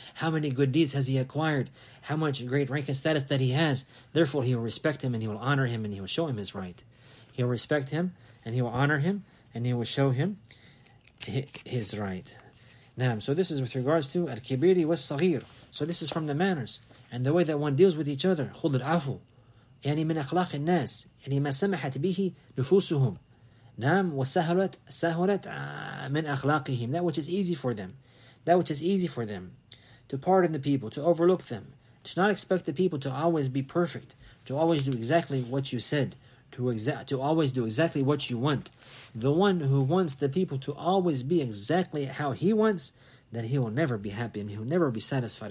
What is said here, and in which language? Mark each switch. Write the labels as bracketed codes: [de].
[en] How many good deeds has he acquired? How much great rank and status that he has? Therefore, he will respect him and he will honor him and he will show him his right. He will respect him and he will honor him and he will show him his right. Naam. So this is with regards to al-kibiri wa-saghir. So this is from the manners and the way that one deals with each other. [ar] خُلُّ الْعَفُ يعني مِنْ أَخْلَاقِ النَّاسِ يعني مَا سَمَحَتْ بِهِ نُفُوسُهُمْ نعم وسهلت سهلت من أخلاقهم. [en] That which is easy for them, that which is easy for them, to pardon the people, to overlook them, to not expect the people to always be perfect, to always do exactly what you said, to always do exactly what you want. The one who wants the people to always be exactly how he wants, then he will never be happy and he will never be satisfied.